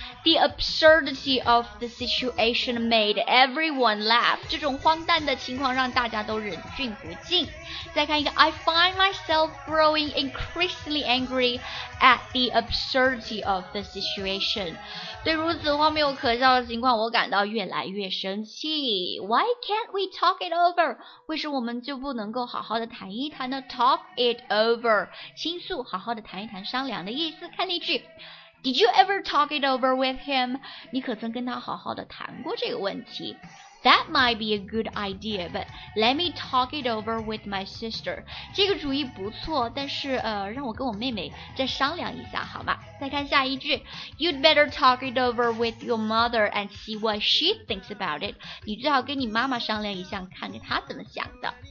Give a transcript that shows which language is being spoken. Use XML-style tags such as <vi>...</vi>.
<en>The absurdity of the situation made everyone laugh.</en> <zh>这种荒诞的情况让大家都忍俊不禁。再看一个</zh> <en>I find myself growing increasingly angry at the absurdity of the situation.</en> <zh>对如此荒谬可笑的情况我感到越来越生气。</zh> <en>Why can't we talk it over?</en> <zh>为什么我们就不能够好好的谈一谈呢</zh> <en>Talk it over.</en> <zh>倾诉好好的谈一谈商量的意思。看例句。</zh> <en>Did you ever talk it over with him?</en> <zh>你可曾跟他好好的谈过这个问题？</zh> <en>That might be a good idea, but let me talk it over with my sister.</en> <zh>这个主意不错，但是让我跟我妹妹再商量一下好吗？再看下一句。</zh> <en>You'd better talk it over with your mother and see what she thinks about it.</en> <zh>你最好跟你妈妈商量一下，看看她怎么想的。</zh>